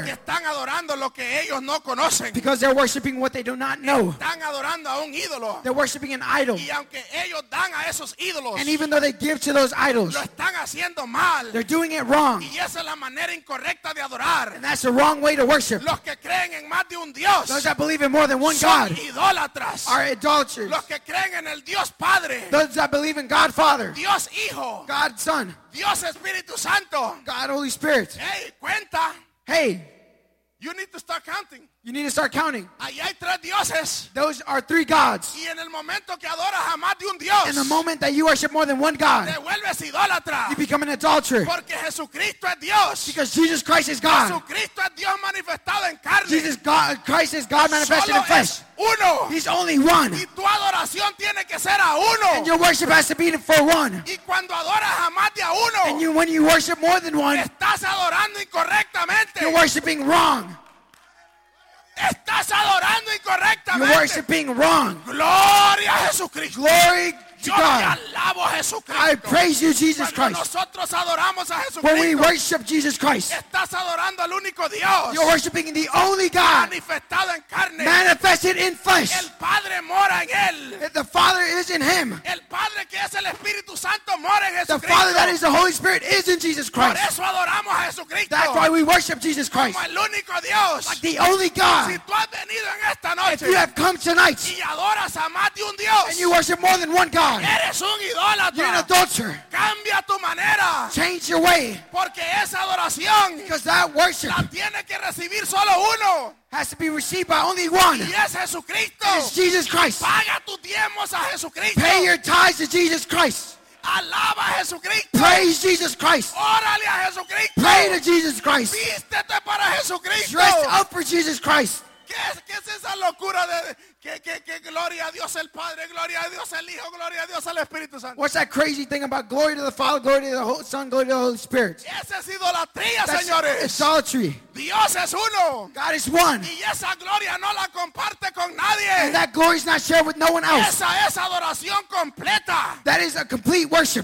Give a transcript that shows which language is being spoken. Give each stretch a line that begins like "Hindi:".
Spanish: Porque están adorando lo que ellos no conocen.
English: Because they're worshiping what they do not know.
Spanish: Están adorando a un ídolo.
English: They're worshiping an idol.
Spanish: Y aunque ellos dan a esos ídolos.
English: And even though they give to those idols.
Spanish: Lo están haciendo mal.
English: They're doing it wrong.
Spanish: Y esa es la manera incorrecta de adorar.
English: And that's the wrong way to worship.
Spanish: Los que creen en más de un Dios.
English: Those that believe in more than one
Spanish: son
English: God.
Spanish: Son idólatras.
English: Are idolaters.
Spanish: Los que creen en el Dios Padre.
English: Those that believe in God Father.
Spanish: Dios Hijo.
English: God Son.
Spanish: Dios Espíritu Santo.
English: God Holy Spirit.
Spanish: Hey, cuenta.
English: Hey. You need to start counting. You need to start counting.
Spanish: Allí hay tres dioses.
English: Those are three gods.
Spanish: Y en el momento que adoras a más de un Dios.
English: In the moment that you worship more than one God.
Spanish: Te vuelves idólatra.
English: You become an adulterer.
Spanish: Porque Jesucristo es Dios.
English: Because Jesus Christ is God.
Spanish: Jesucristo es Dios manifestado en carne.
English: Jesus God, Christ is God manifested
Spanish: solo
English: in flesh.
Spanish: Uno.
English: He's only one.
Spanish: Y tu adoración tiene que ser a uno.
English: And your worship has to be for one.
Spanish: Y cuando adoras a más de uno.
English: And you, when you worship more than one.
Spanish: Estás adorando incorrectamente.
English: You're worshiping wrong.
Spanish: Estás adorando incorrectamente.
English: You're worshiping wrong.
Spanish: Gloria a Jesucristo.
English: Glory to God.
Spanish: Yo te alabo a Jesucristo.
English: I praise you, Jesus
Spanish: cuando
English: Christ.
Spanish: Nosotros adoramos a Jesucristo.
English: When we worship Jesus Christ.
Spanish: Estás adorando al único Dios.
English: You're worshiping the only God.
Spanish: Manifestado en carne.
English: Manifested in flesh.
Spanish: El Padre mora en él.
English: The Father is in him.
Spanish: El Padre que es el Espíritu Santo mora en Jesucristo.
English: The Father that is the Holy Spirit is in Jesus Christ.
Spanish: Por eso adoramos a Jesucristo.
English: That's why we worship Jesus Christ.
Spanish: Como el único Dios.
English: Like the only God.
Spanish: Si tú has venido en esta noche.
English: You have come tonight.
Spanish: Y adoras a más de un Dios.
English: And you worship more than one God.
Spanish: Eres un idólatra.
English: You're an adulterer.
Spanish: Cambia tu manera.
English: Change your way.
Spanish: Porque esa adoración,
English: because that worship,
Spanish: la tiene que recibir solo uno.
English: Has to be received by only one. Yes, Jesucristo. It's Jesus Christ.
Spanish: Paga tus diezmos a Jesucristo.
English: Pay your tithes to Jesus Christ.
Spanish: Alaba a Jesucristo.
English: Praise Jesus Christ.
Spanish: Órale a Jesucristo.
English: Pray to Jesus Christ.
Spanish: Vístete para Jesucristo.
English: Dress up for Jesus Christ.
Spanish: ¿Qué es esa locura de que gloria a Dios el Padre, gloria a Dios el Hijo, gloria a Dios el Espíritu Santo?
English: What's that crazy thing about glory to the Father, glory to the Holy Son, glory to the Holy Spirit?
Spanish: Esa es idolatría, señores.
English: That's idolatry.
Spanish: Dios es uno.
English: God is one.
Spanish: Y esa gloria no la comparte con nadie.
English: And that glory is not shared with no one else.
Spanish: Esa es adoración completa.
English: That is a complete worship.